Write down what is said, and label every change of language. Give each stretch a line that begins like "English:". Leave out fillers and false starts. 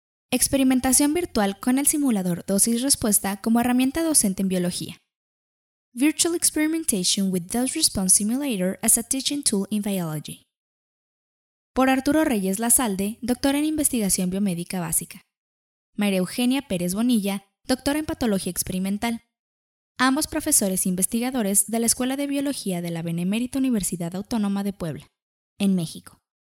Spanish: Experimentación virtual con el simulador dosis-respuesta como herramienta docente en biología.
English: Virtual experimentation with dose-response simulator as a teaching tool in biology.
Spanish: Por Arturo Reyes Lasalde, doctor en investigación biomédica básica. María Eugenia Pérez Bonilla, doctora en patología experimental. Ambos profesores investigadores de la Escuela de Biología de la Benemérita Universidad Autónoma de Puebla, en México.